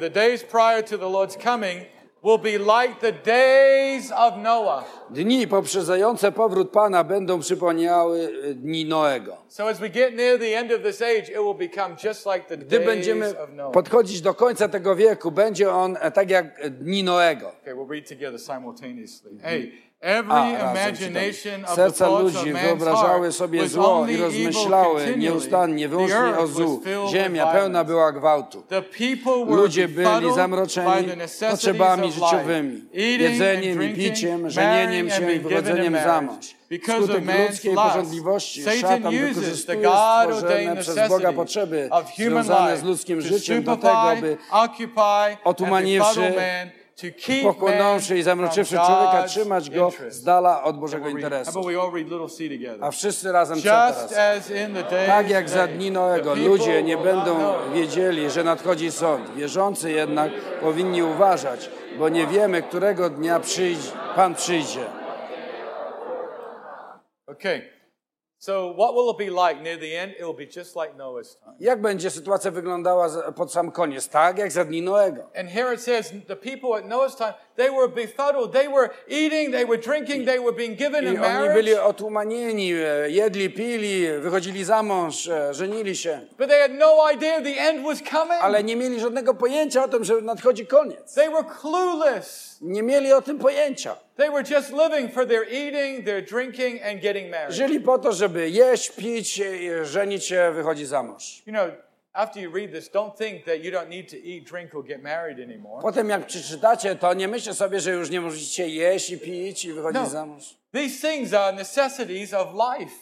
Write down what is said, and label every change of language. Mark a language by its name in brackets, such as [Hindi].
[English] The days prior to the Lord's coming will be like the days of Noah. [Polish] Dni poprzedzające powrót Pana będą przypomniały dni Noego. [English] So as we get near the end of this age, it will become just like the days of Noah. [Polish] Podchodzić do końca tego wieku, będzie on tak jak dni Noego. [English] Okay, we'll read together simultaneously. Hey, every imagination of [Polish] serca ludzi wyobrażały sobie zło i rozmyślały nieustannie, wyłącznie o złu. Ziemia pełna była gwałtu. Ludzie byli zamroczeni potrzebami życiowymi, jedzeniem i piciem, żenieniem się i wychodzeniem za mąż. Wskutek ludzkiej pożądliwości szatan wykorzystuje stworzone przez Boga potrzeby związane z ludzkim życiem do tego, by otumaniwszy, pochłonąwszy i zamroczywszy człowieka, trzymać go z dala od Bożego interesu. A wszyscy razem czytamy. Tak jak za dni Noego, ludzie nie będą wiedzieli, że nadchodzi sąd. Wierzący jednak powinni uważać, bo nie wiemy, którego dnia Pan przyjdzie. [English] Okay. So what will it be like near the end? It'll be just like Noah's time. [Polish] Jak będzie sytuacja wyglądała pod sam koniec, tak jak za dni Noego? [English] And here it says the people at Noah's time, they were befuddled, they were eating, they were drinking, they were being given in marriage. [Polish] I oni byli otumanieni, jedli, pili, wychodzili za mąż, żenili się. [English] But they had no idea the end was coming. [Polish] Ale nie mieli żadnego pojęcia o tym, że nadchodzi koniec. [English] They were clueless. [Polish] Nie mieli o tym pojęcia. [English] They were just living for their eating, their drinking and getting married. [Polish] Żyli po to, żeby jeść, pić, żenić się, wychodzić za mąż. [English] You know, after you read this, don't think that you don't need to eat, drink or get married anymore. [Polish] Potem jak przeczytacie to, nie myślcie sobie, że już nie możecie jeść i pić i wychodzić za mąż. [English] These things are necessities of life.